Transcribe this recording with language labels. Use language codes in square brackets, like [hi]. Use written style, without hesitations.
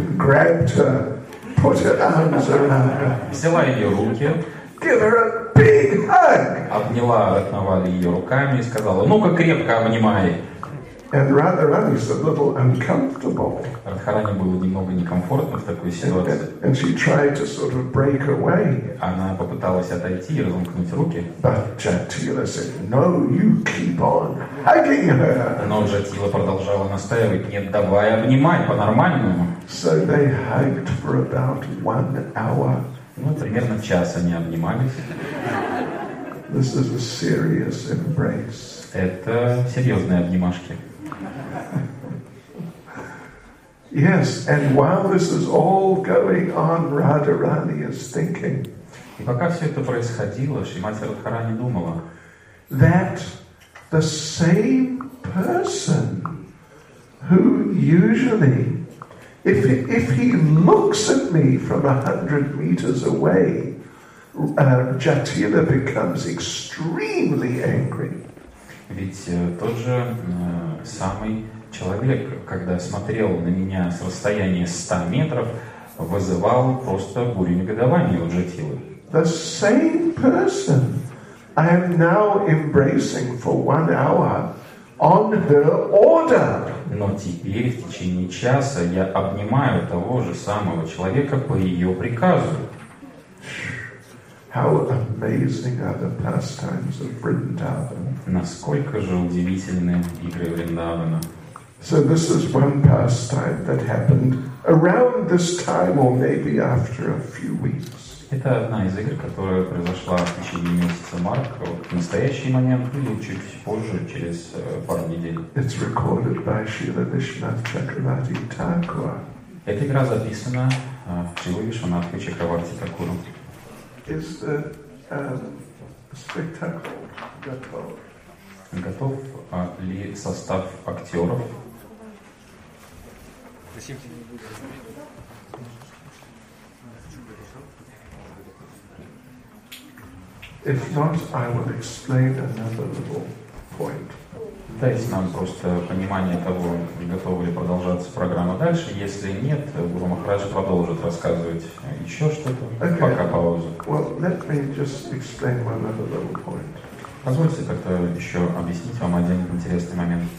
[en] Grabbed her, put her arms around her. [ru] Взяла ее руки. [en] Give her a big hug. [ru] Обняла Ратнавали ее руками и сказала, "Ну-ка крепко обнимай." [en] And Radharani was a little uncomfortable. [ru] Радхарани было немного некомфортно в такой ситуации. [en] And she tried to sort of break away. [ru] Она попыталась отойти и разомкнуть руки. [en] But Jatila said, "No, you keep on hugging her." [ru] Но Джатила продолжала настаивать, "Нет, давай обнимай по-нормальному." [en] So they hugged for about 1 hour. [ru] Ну, примерно час они обнимались. [en] This is a serious embrace. [ru] Это серьезные обнимашки. [en] Yes, and while this is all going on, Radharani is thinking. [ru] И пока все это происходило, Шримати Радхарани думала, [en] that the same person who usually, if he looks at me from 100 meters away, Jatila becomes extremely angry. [ru] Ведь тот же самый человек, когда смотрел на меня с расстояния 100 метров, вызывал просто бурю негодования у Джатилы. [en] The same person I am now embracing for 1 hour on her order. [ru] Но теперь в течение часа я обнимаю того же самого человека по ее приказу. [en] How amazing are the pastimes of Vrindavan. [ru] Насколько же удивительны игры Вриндавана. [en] So this is one pastime that happened around this time or maybe after a few weeks. [ru] Это одна из игр, которая произошла в течение месяца марта. Вот в настоящий момент или чуть позже, через пару недель. [en] It's recorded by Srila Vishwanatha Chakravarti Thakur. [ru] Эта игра записана в Шрила Вишванатха Чакраварти Такуру. [en] Is the spectacle готов? [ru] Готов ли состав актеров? [en] If not, I will explain another little point. [ru] Дайте нам просто понимание того, готова ли продолжаться программа дальше. Если нет, Гуру Махарадж продолжит рассказывать еще что-то. [en] Okay. [ru] Пока пауза. [en] Well, let me just explain one other little point. [ru] Позвольте как-то еще объяснить вам один интересный момент.